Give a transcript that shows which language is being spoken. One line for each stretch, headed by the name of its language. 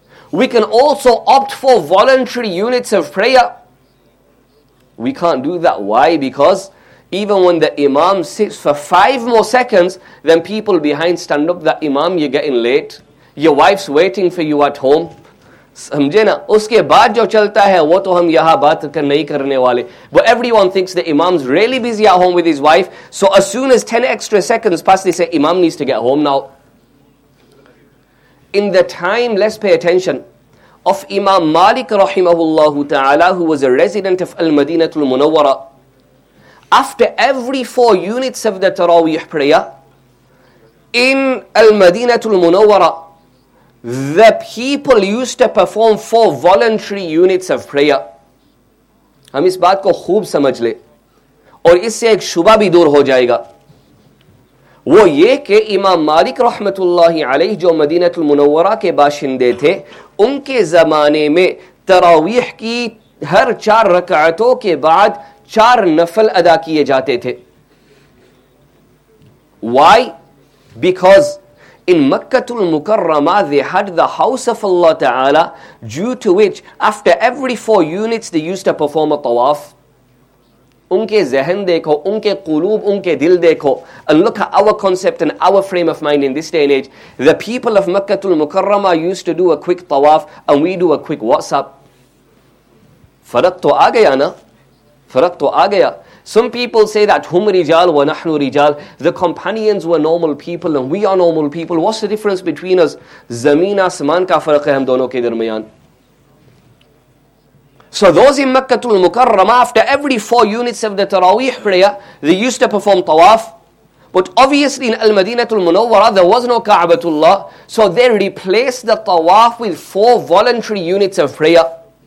English: We can also opt for voluntary units of prayer. We can't do that. Why? Because even when the imam sits for 5 more seconds, then people behind stand up, that imam, you're getting late. Your wife's waiting for you at home.
Urdu: سمجھے نا، اس کے بعد جو چلتا ہے، وہ تو ہم یہاں بات نہیں کرنے والے۔
English: But everyone thinks the imam's really busy at home with his wife. So as soon as 10 extra seconds pass, they say, imam needs to get home now. In the time, let's pay attention, of Imam Malik rahimahullahu ta'ala, who was a resident of Al-Madinatul Munawwara, after every 4 units of the Taraweeh prayer, in Al-Madinatul Munawwara, the people used to perform 4 voluntary units of prayer.
Urdu: ہم اس بات کو خوب سمجھ لے۔ اور اس سے ایک شبہ بھی دور ہو جائے گا۔ وہ یہ کہ امام مالک رحمۃ اللہ علیہ، جو مدینۃ المنورہ کے باشندے تھے، ان کے زمانے میں تراویح کی ہر 4 رکعتوں کے بعد 4 نفل ادا کیے جاتے تھے۔
English: Why? Because in Makkatul Mukarrama, they had the house of Allah Ta'ala, due to which after every 4 units they used to perform a tawaf.
Urdu: ان کے ذہن دیکھو، ان کے قلوب، ان کے دل دیکھو۔
English: And look at our concept and our frame of mind in this day and age. The people of Makkatul Mukarrama used to do a quick tawaf and we do a quick WhatsApp.
Urdu: فرق تو آ گیا نا؟ فرق تو آ گیا۔
English: Some people say that
Arabic: hum rijal wa nahnu rijal,
English: the companions were normal people and we are normal people. What's the difference between us?
Urdu: زمین آسمان کا فرق ہے ہم دونوں کے درمیان۔
English: So those in Makkatul Mukarrama, after every 4 units of the Taraweeh prayer, they used to perform tawaf. But obviously in Al-Madinatul Munawwara, there was no Ka'batullah. So they replaced the tawaf with 4 voluntary units of prayer.